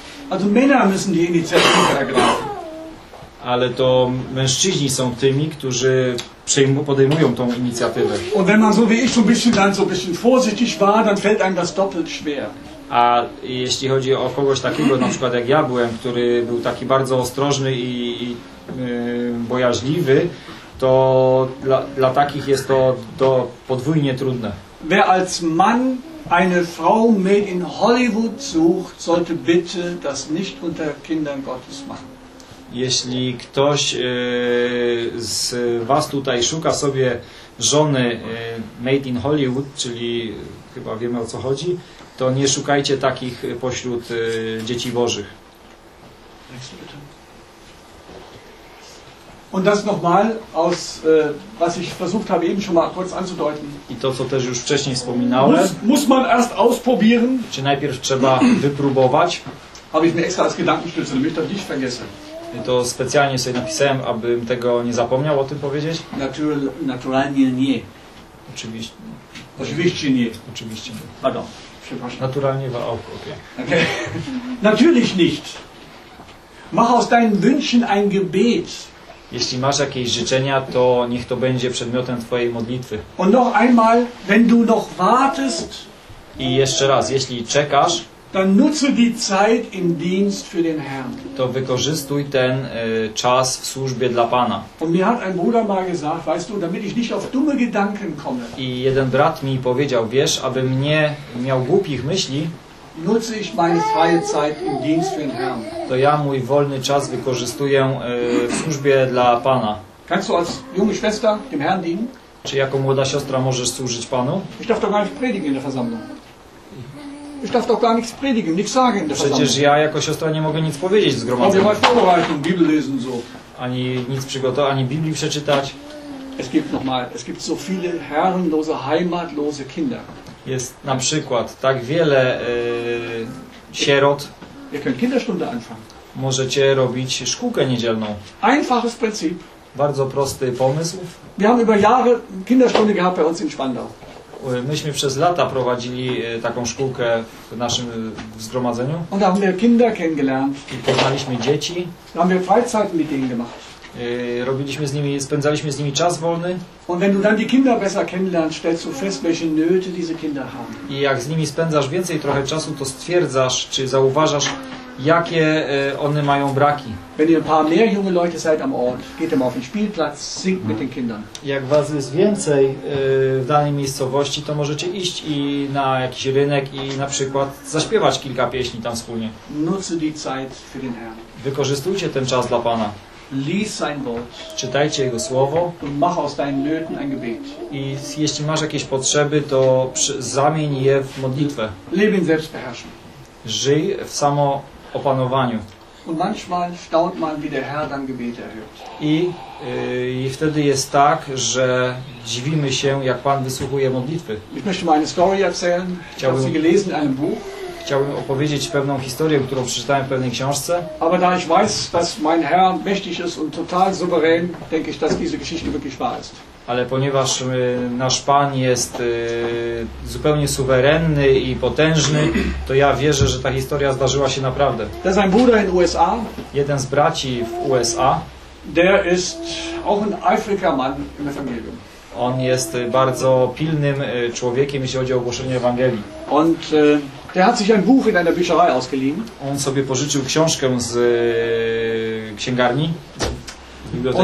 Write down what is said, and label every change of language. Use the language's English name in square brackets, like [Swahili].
[German] Also Männer müssen die Initiative ergreifen. [Polish] Ale to mężczyźni są tymi, którzy podejmują tą inicjatywę. [German] Und wenn man so wie ich so ein bisschen vorsichtig war, dann fällt einem das doppelt schwer. [Polish] A jeśli chodzi o kogoś takiego, na przykład jak ja byłem, który był taki bardzo ostrożny i bojaźliwy, to dla takich jest to podwójnie trudne. [German] Wer als Mann eine Frau mit in Hollywood sucht, sollte bitte das nicht unter Kindern Gottes machen. [Polish] Jeśli ktoś z was tutaj szuka sobie żony [English] made in Hollywood, [Polish] czyli chyba wiemy o co chodzi, to nie szukajcie takich pośród dzieci Bożych. [German] Und das nochmal aus was ich versucht habe eben schon mal kurz anzudeuten. [Polish] I to co też już wcześniej wspominałem. [German] Muss man erst ausprobieren. [Polish] Czy najpierw trzeba wypróbować. [German] Habe ich mir extra als Gedankenstütze, damit ich das nicht vergesse. [Polish] To specjalnie sobie napisałem, abym tego nie zapomniał o tym powiedzieć. Naturalnie nie. Oczywiście nie. Oczywiście nie. [French] Pardon. [Polish] Przepraszam. [German] Naturalnie war auch okay. Okay. Natürlich nicht. Mach aus deinen Wünschen ein Gebet. [Polish] Jeśli masz jakieś życzenia, to niech to będzie przedmiotem twojej modlitwy. [German] Und noch einmal, wenn du noch wartest. [Polish] I jeszcze raz, jeśli czekasz, [German] dann nutze die Zeit im Dienst für den Herrn. [Polish] To wykorzystuj ten czas w służbie dla Pana. [German] Und mir hat ein Bruder mal gesagt, weißt du, damit ich nicht auf dumme Gedanken komme. [Polish] I jeden brat mi powiedział, wiesz, abym nie miał głupich myśli, [German] nutze ich meine freie Zeit im Dienst für den Herrn. [Polish] To ja mój wolny czas wykorzystuję w służbie dla Pana. [German] Kannst du als junge Schwester dem Herrn dienen? [Polish] Czy jako młoda siostra możesz służyć Panu? [German] Ich darf doch gar nicht predigen in der Versammlung. Ich darf doch gar nichts predigen, nichts sagen. [Polish] Przecież ja jako siostra nie mogę nic powiedzieć w zgromadzeniu. Mogę [German] mal vorbereiten, Bibel lesen so. [Polish] Ani nic przygotować, ani Biblii przeczytać. [German] Es gibt noch mal, es gibt so viele herrenlose, heimatlose Kinder. [Polish] Jest na przykład tak wiele sierot. [German] Ihr könnt Kinderstunde anfangen. [Polish] Możecie robić szkółkę niedzielną. [German] Einfaches Prinzip. [Polish] Bardzo prosty pomysł. [German] Wir haben über Jahre Kinderstunde gehabt bei uns in Spandau. [Polish] Myśmy przez lata prowadzili taką szkółkę w naszym zgromadzeniu. [German] Und haben wir Kinder kennengelernt. [Polish] I poznaliśmy dzieci. [German] Und haben wir Freizeit mit denen gemacht. [Polish] Robiliśmy z nimi, spędzaliśmy z nimi czas wolny. [German] Und wenn du dann die Kinder besser kennenlernst, stellst du fest, welche Nöte diese Kinder haben. [Polish] I jak z nimi spędzasz więcej trochę czasu, to stwierdzasz, czy zauważasz, jakie one mają braki. [German] Wenn ihr ein paar mehr junge Leute seid am Ort, geht ihr mal auf den Spielplatz, singt mit den Kindern. [Polish] Jak was jest więcej w danej miejscowości, to możecie iść i na jakiś rynek i na przykład zaśpiewać kilka pieśni tam wspólnie. [German] Nutze die Zeit für den Herrn. [Polish] Wykorzystujcie ten czas dla Pana. [German] Lies sein Wort. [Polish] Czytajcie jego słowo. [German] Und mach aus deinen Nöten ein Gebet. [Polish] I jeśli masz jakieś potrzeby, to zamień je w modlitwę. [German] Lebe in Selbstbeherrschung. [Polish] Żyj w samo opanowaniu. [German] Und manchmal staunt man, wie der Herr dann Gebete erhört. [Polish] I wtedy jest tak, że dziwimy się, jak Pan wysłuchuje modlitwy. [German] Ich möchte mal eine Story erzählen. Ich habe sie gelesen in einem Buch. [Polish] chciałbym opowiedzieć pewną historię, którą przeczytałem w pewnej książce. [German] Aber da ich weiß, dass mein Herr mächtig ist und total souverän, denke ich, dass diese Geschichte wirklich wahr ist. [Polish] Ale ponieważ nasz Pan jest zupełnie suwerenny i potężny, to ja wierzę, że ta historia zdarzyła się naprawdę. [German] Das ist ein Bruder in USA. [Polish] Jeden z braci w USA. [German] Der ist auch ein eifriger Mann im Evangelium. [Polish] On jest bardzo pilnym człowiekiem, jeśli chodzi o głoszenie Ewangelii. [German] Und der hat sich ein Buch in einer Bücherei ausgeliehen. [Polish] On sobie pożyczył książkę z księgarni, z biblioteki.